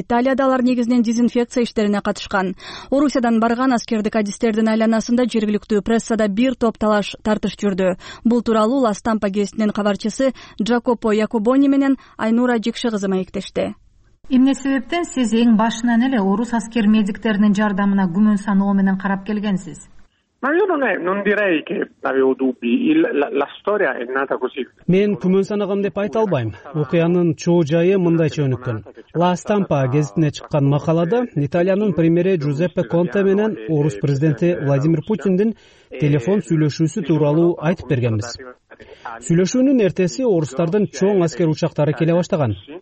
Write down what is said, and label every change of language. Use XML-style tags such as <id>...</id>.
<ky>Италияда алар негизинен дезинфекция иштерине катышкан. Орусиядан барган аскердик адистердин айланасында жергиликтүү прессада бир топ талаш тартыш жүрдү. Бул тууралуу Ла Стампа гезитинин кабарчысы Джакопо Якубони менен Айнура Жекши кызы маектеште. Эмне себептен сиз эң башынан эле орус аскер медиктеринин жардамына күмөн саноо менен карап келгенсиз?</ky> <it>Ma io non direi che avevo dubbi. La storia è nata così.</it> <ky>Мен күмөн санагам деп айта албайм. Окуянын чоо жайы мындайча өнүккөн. La Stampa гезитине чыккан макалада Италиянын премьери Джузеппе Конте менен Орус президенти Владимир Путиндин телефон сүйлөшүүсү тууралуу айтып бергенбиз. Сүйлөшүүнүн эртеси орустардын чоң аскер учактары келе баштаган.</ky>